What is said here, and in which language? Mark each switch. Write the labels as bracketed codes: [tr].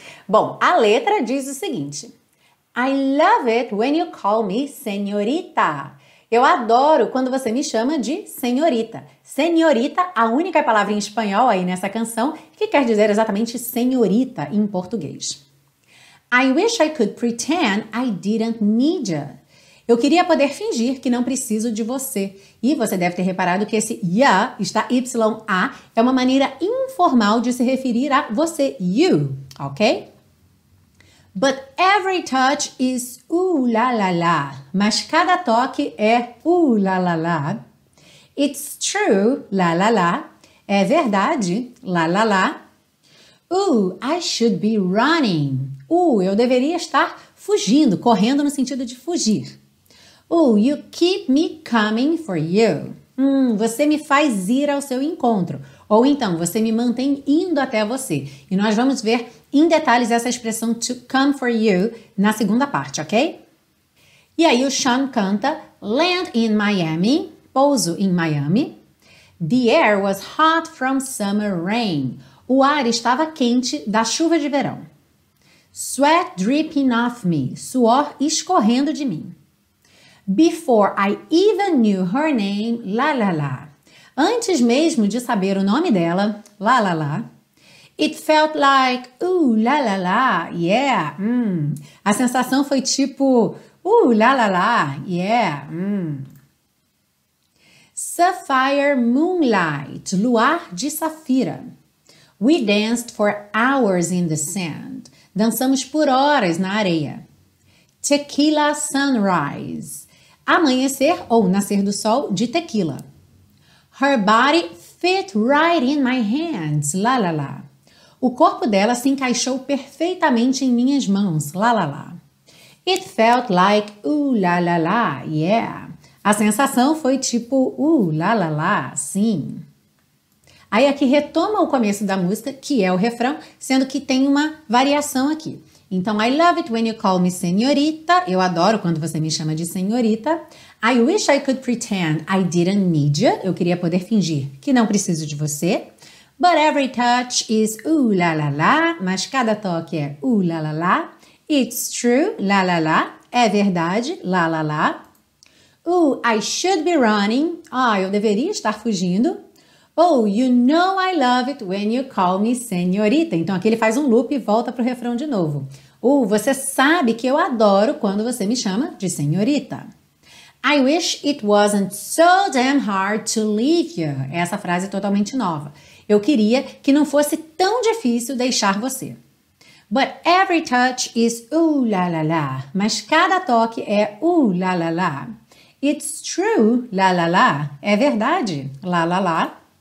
[pt] Bom, a letra diz o seguinte. [en] I love it when you call me senhorita. [pt] Eu adoro quando você me chama de senhorita. Senhorita, a única palavra em espanhol aí nessa canção que quer dizer exatamente senhorita em português. [en] I wish I could pretend I didn't need you. [pt] Eu queria poder fingir que não preciso de você. E você deve ter reparado que esse ya, está Y-A, é uma maneira informal de se referir a você, you, ok? [en] But every touch is ooh-la-la-la. [pt] Mas cada toque é ooh-la-la-la. [en] It's true, la-la-la. [pt] É verdade, la-la-la. [en] Ooh, I should be running. [pt] Eu deveria estar fugindo, correndo no sentido de fugir. [en] Ooh, you keep me coming for you. [pt] Você me faz ir ao seu encontro. Ou então, você me mantém indo até você. E nós vamos ver em detalhes essa expressão [en] to come for you [pt] na segunda parte, ok? E aí o Shawn canta [en] land in Miami, [pt] pouso em Miami. [en] The air was hot from summer rain. [pt] O ar estava quente da chuva de verão. [en] Sweat dripping off me, [pt] suor escorrendo de mim. [en] Before I even knew her name, la la la. [pt] Antes mesmo de saber o nome dela, la la la. [en] It felt like, ooh, la la la, yeah, [pt] A sensação foi tipo, ooh, la la la, yeah, [en] Sapphire moonlight, [pt] luar de safira. [en] We danced for hours in the sand. [pt] Dançamos por horas na areia. Tequila sunrise. Amanhecer ou nascer do sol de tequila. [en] Her body fit right in my hands, la la la. [pt] O corpo dela se encaixou perfeitamente em minhas mãos, la la la. [en] It felt like, ooh, la la la, yeah. [pt] A sensação foi tipo, ooh, la la la, sim. Aí aqui retoma o começo da música, que é o refrão, sendo que tem uma variação aqui. Então, [en] I love it when you call me senhorita. [pt] Eu adoro quando você me chama de senhorita. [en] I wish I could pretend I didn't need you. [pt] Eu queria poder fingir que não preciso de você. [en] But every touch is ooh la la la. [pt] Mas cada toque é ooh la la la. [en] It's true, la la la. [pt] É verdade, la la la. [en] Ooh, I should be running. [pt] Ah, eu deveria estar fugindo. [en] Oh, you know I love it when you call me senhorita. [pt] Então aqui ele faz um loop e volta pro refrão de novo. Oh, você sabe que eu adoro quando você me chama de senhorita. [en] I wish it wasn't so damn hard to leave you. [pt] Essa frase é totalmente nova. Eu queria que não fosse tão difícil deixar você. [en] But every touch is ooh la la la. [pt] Mas cada toque é ooh la la la. [en] It's true, la la la. [pt] É verdade, la la la.